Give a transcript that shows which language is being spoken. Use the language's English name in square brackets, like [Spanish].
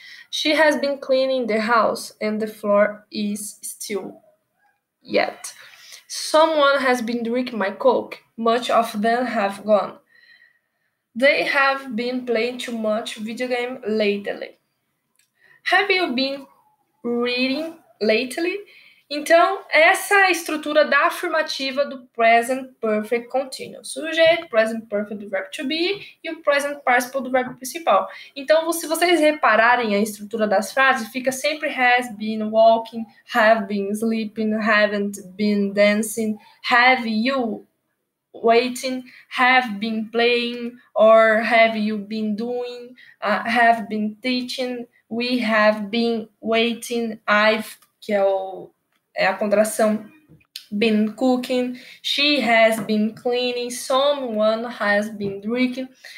[English] She has been cleaning the house, and the floor is still yet. Someone has been drinking my Coke. Much of them have gone. They have been playing too much video game lately. Have you been reading lately? [Portuguese] Então, essa é a estrutura da afirmativa do present perfect continuous. Sujeito, present perfect do verbo to be e o present participle do verbo principal. Então, se vocês repararem a estrutura das frases, fica sempre [English] has been walking, have been sleeping, haven't been dancing, have you waiting, have been playing, or have you been doing, have been teaching, we have been waiting, I've, [Portuguese] que é, é a contração, [English] been cooking, she has been cleaning, someone has been drinking.